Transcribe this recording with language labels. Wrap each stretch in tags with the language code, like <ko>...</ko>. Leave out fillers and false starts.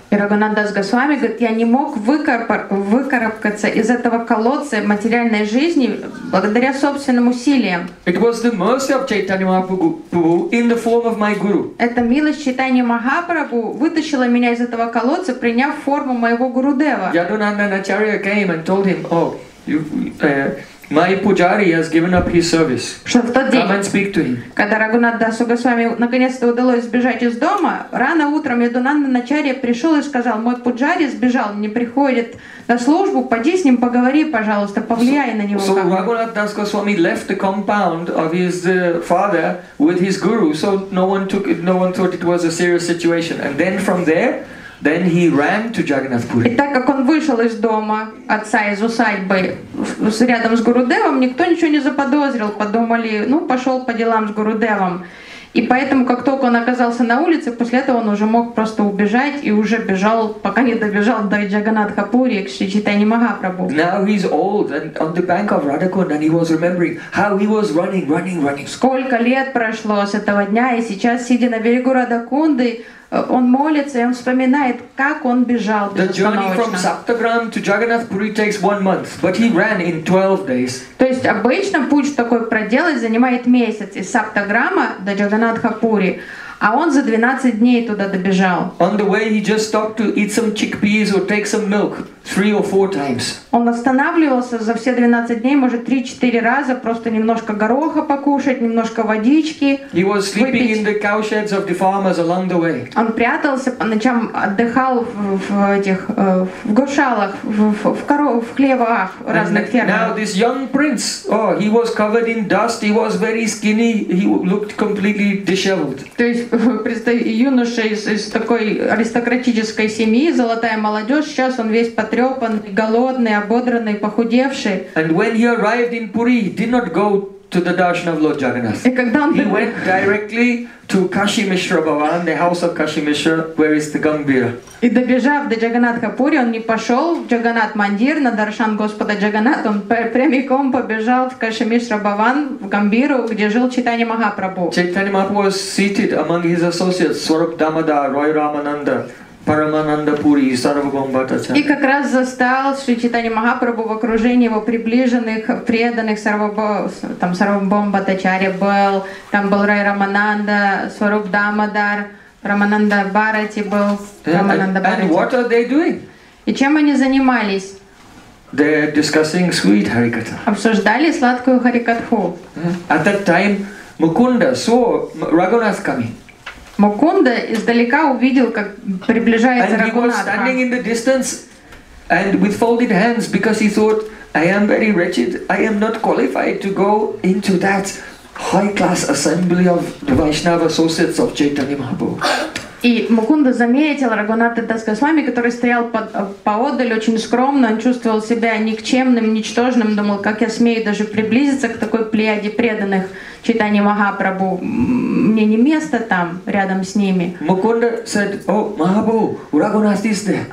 <ru>Raghunath Das Goswami говорит, я не мог выкарабкаться из этого колодца материальной жизни благодаря собственным усилиям.</ru> <en>It was the mercy of Chaitanya Mahaprabhu in the form of my guru.</en> <ru>Эта милость Чайтаньи Махапрабху вытащила меня из этого колодца, приняв форму моего гурудева.</ru> <en>Yadunanda Acharya came and told him, oh, you, My pujari has given up his service.</en> <ru>Что в тот день?</ru> <en>Come and speak to him.</en> <ru>Когда Рагунатдасу Госвами наконец-то удалось сбежать из дома, рано утром Ядунанданачарья пришел и сказал: мой пуджари сбежал, не приходит на службу, поди с ним поговори, пожалуйста, повлияй на него.</ru> <en>So Рагунатдас Госвами left the compound of his father with his guru, so no one thought it was a serious situation. And then from there, then he ran to Jagannath Puri.</en> <ru>И так как он вышел из дома отца, из усадьбы, рядом с Гурудевом, никто ничего не заподозрил, подумали, ну, пошел по делам с Гурудевом. И поэтому, как только он оказался на улице, после этого он уже мог просто убежать и уже бежал, пока не добежал до Джаганнатха Пури, к Шри Чайтанья Махапрабху.</ru> <en>Now he's old and on the bank of Radhakund and he was remembering how he was running.</en> <ru>Сколько лет прошло с этого дня, и сейчас, сидя на берегу Радхакунды, он молится, и он вспоминает, как он бежал безостановочно.</ru> <en>The journey from Saptagram to Jagannath Puri takes 1 month, but he ran in 12 days.</en> <ru>То есть обычно путь такой проделать занимает месяц из Саптаграма до Джаганнатха Пури, а он за 12 дней туда добежал.</ru> <en>On the way he just stopped to eat some chickpeas or take some milk 3 or 4 times.</en> <ru>Он останавливался за все 12 дней, может, 3-4 раза, просто немножко гороха покушать, немножко водички.</ru> <en>He was sleeping in the cow sheds of the farmers along the way.</en> <ru>Он прятался по ночам, отдыхал в гошалах, в хлевах разных фермах.</ru> <en>Now this young prince, oh, he was covered in dust, he was very skinny, he looked completely disheveled.</en> <ru>То есть представь, юноша из такой аристократической семьи, золотая молодежь, сейчас он весь потрепанный, голодный, ободранный, похудевший.</ru> <en>And when he arrived in Puri, he did not go to the darshan of Lord Jagannath. He went directly to Kashi Mishra Bhavan, the house of Kashi Mishra, where is the Gambhira.</en> <ru>И добежав до Джаганнатха Пури, он не пошел в Джаганнат Мандир, на даршан Господа Джаганнатха, он прямиком побежал в Каши Мишра Бхаван, в Гамбиру, где жил Чайтанья Махапрабху.</ru> <en>Чайтанья Махапрабху was seated among his associates, Swarup Damodar, Roy Ramananda, Парамананда Пури и Сарвабхаум Бхаттачарья.</en> <ru>И как раз застал Шри Чайтанья Махапрабху в окружении его приближенных, преданных Сарвабхаум Бхаттачарья был, там был Рай Рамананда, Сваруп Дамодар, Рамананда Бхарати был, Рамананда</ru> <en>Бхарати. And what are they doing?</en> <ru>И чем они занимались?</ru> <en>They're discussing sweet Harikatha.</en> <ru>Обсуждали сладкую Харикатху.</ru> <en>At that time, Mukunda saw Raghunath coming.</en> <ru>Мукунда издалека увидел, как приближается Рагунатха.</ru> <en>And he was standing in the distance and with folded hands because he thought, I am very wretched, I am not qualified to go into that high-class assembly of the Vaishnava associates of Chaitanya Mahaprabhu.</en> <ru>И Мукунда заметил Рагунатха Госвами, который стоял поодаль очень скромно, он чувствовал себя никчемным, ничтожным, думал, как я смею даже приблизиться к такой плеяде преданных Чайтанья Махапрабху, мне не место там, рядом с ними.</ru> <en>Мукунда said, О, Махапрабху, Рагунат is there.</en>